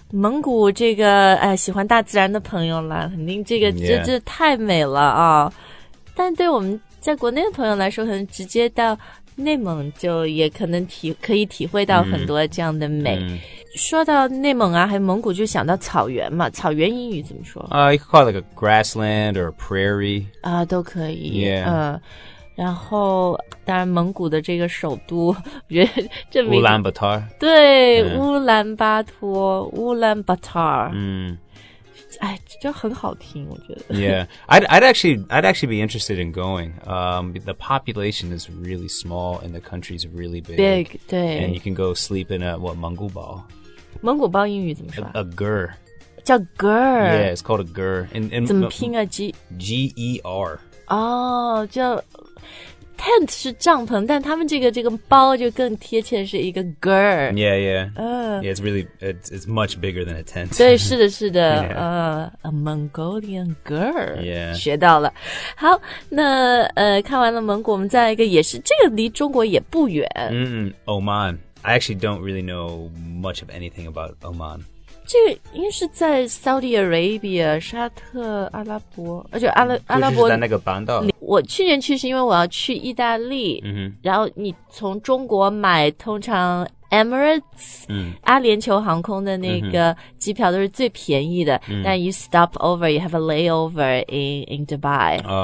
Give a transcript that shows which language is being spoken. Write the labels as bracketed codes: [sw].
[zh] 蒙古这个喜欢大自然的朋友啦肯定这个、 [en] yeah. [zh] 这太美了啊、哦、但对我们在国内的朋友来说可能直接到内蒙就也可能可以体会到很多这样的美、嗯嗯、说到内蒙啊还有蒙古就想到草原嘛草原英语怎么说 [en] you could call it like a grassland or a prairie [zh] 啊都可以 [en] yeah、 [zh] 然后当然蒙古的这个首都，我觉得这乌兰巴托，对、嗯、乌兰巴托，乌兰巴托，嗯，哎，这很好听，我觉得。 [en] Yeah, I'd actually be interested in going. The population is really small, and the country is really big. [zh] Big, 对。 [en] And you can go sleep in a what 蒙古包。 [zh] 蒙古包英语怎么说 [en] ？A ger. [zh] 叫 ger. [en] Yeah, it's called a ger. And [zh] 怎么拼啊 ？G [en] G E R. [zh] 哦，叫 tent 是帐篷，但他们这个包就更贴切是一个 ger. [en] Yeah, yeah. Yeah, it's really, it's much bigger than a tent. [zh] 对，是的，是的。 [en] A Mongolian girl. Yeah. [zh] 学到了。好，那看完了蒙古，我们再来一个，也是这个离中国也不远。 [en] 嗯、Oman. I actually don't really know much of anything about Oman. [zh] 这个应该是在 Saudi Arabia, 沙特阿拉伯，而且阿拉伯。就是在那个半岛。我去年去是因为我要去意大利。嗯。然后你从中国买通常Emirates、嗯、阿联酋航空的那个机票都是最便宜的、嗯、但 [en] you stop over, you have a layover in Dubai、